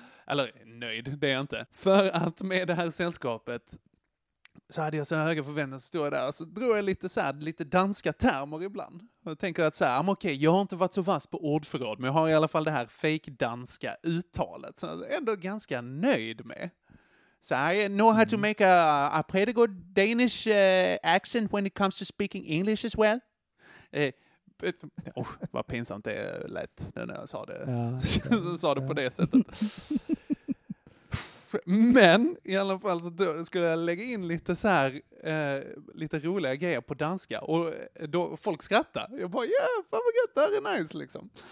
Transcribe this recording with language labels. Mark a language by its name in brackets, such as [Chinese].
[Swedish] Eller nöjd, det är jag inte. För att med det här sällskapet så hade jag så höga förväntningar att stå där. Och så drog jag lite, så här, lite danska termer ibland. Och tänker att så här, okej, jag har inte varit så fast på ordförråd. Men jag har i alla fall det här fake danska uttalet. Så jag är ändå ganska nöjd med. [English] So I know how to make a pretty good Danish accent when it comes to speaking English as well. [Swedish] Vad pinsamt det lät när jag sa det. Ja, sa det på det sättet. Men i alla fall så skulle jag lägga in lite så här lite roliga grejer på danska och då folk skrattar. Jag bara fan vad gött, det är nice liksom.